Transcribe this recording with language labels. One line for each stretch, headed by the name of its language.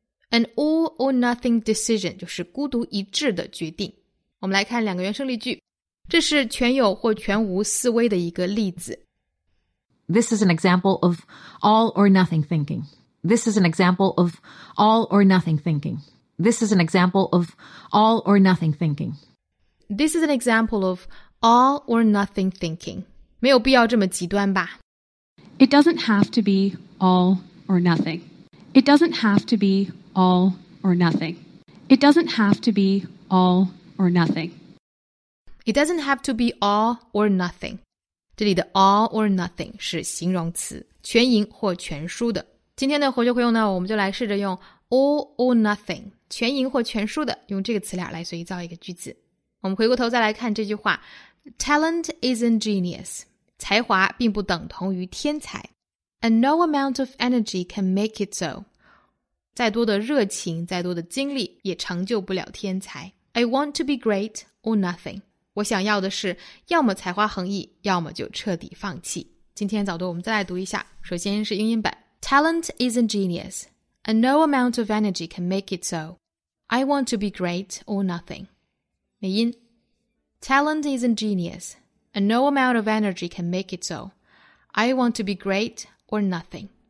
English: An all or nothing decision
Chinese: 就是孤独一掷的决定。我们来看两个原声例句，这是全有或全无思维的一个例子。
English: This is an example of all or nothing thinking. This is an example of all or nothing thinking. This is an example of all or nothing thinking. This is an example of all or nothing thinking.
Chinese: 没有必要这么极端吧。
English: It doesn't have to be all or nothing. It doesn't have to be all or nothing. It doesn't have to be all or nothing. Or nothing. It doesn't have to be all or nothing.
Chinese: 这里的 all or nothing 是形容词，全赢或全输的。今天的活学活用呢，我们就来试着用 all or nothing， 全赢或全输的，用这个词俩来随意造一个句子。我们回过头再来看这句话 ：
English: Talent isn't genius.
Chinese: 才华并不等同于天才。
English: And no amount of energy can make it so.
Chinese: 再多的热情，再多的精力，也成就不了天才。
English: I want to be great or nothing.
Chinese: 我想要的是要么才华横溢，要么就彻底放弃。今天早读我们再来读一下，首先是英音版。
English: Talent isn't genius, and no amount of energy can make it so. I want to be great or nothing.
Chinese: 美音。
English: Talent isn't genius, and no amount of energy can make it so. I want to be great or nothing.